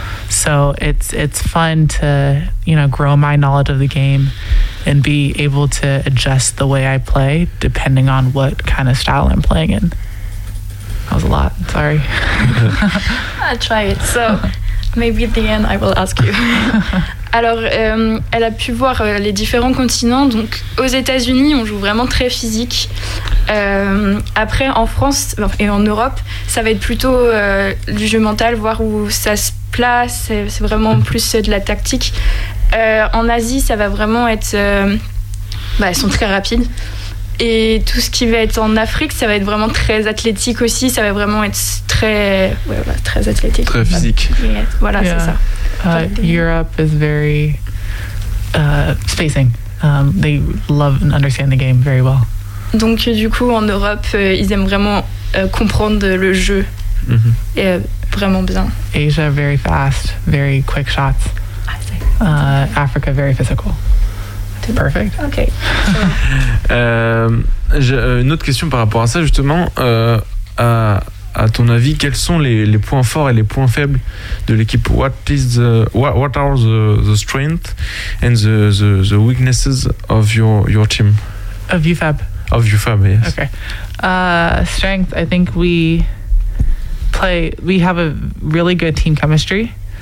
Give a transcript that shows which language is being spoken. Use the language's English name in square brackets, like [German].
[English] So it's fun to, you know, grow my knowledge of the game and be able to adjust the way I play depending on what kind of style I'm playing in. That was a lot. Sorry. I'll try it. So maybe at the end, I will ask you. [French] Alors, elle a pu voir les différents continents. Donc, aux États-Unis, on joue vraiment très physique. Après, en France et en Europe, ça va être plutôt du jeu mental, voir où ça se place. C'est vraiment plus de la tactique. En Asie, ça va vraiment être... elles sont très rapides. Et tout ce qui va être en Afrique, ça va être vraiment très athlétique aussi. Ça va vraiment être très... très athlétique. Très physique. Voilà, yeah. C'est ça. [English] Europe is very spacing. They love and understand the game very well. [French] Donc du coup en Europe, ils aiment vraiment comprendre le jeu et vraiment bien. [English] Asia very fast, very quick shots. Africa very physical. Perfect. Okay. [French] une autre question par rapport à ça justement. À ton avis, quels sont les points forts et les points faibles de l'équipe? [English] What are the strength and the weaknesses of your team? Of UFAB. Of UFAB, yes. Okay. Strength. I think we have a really good team chemistry.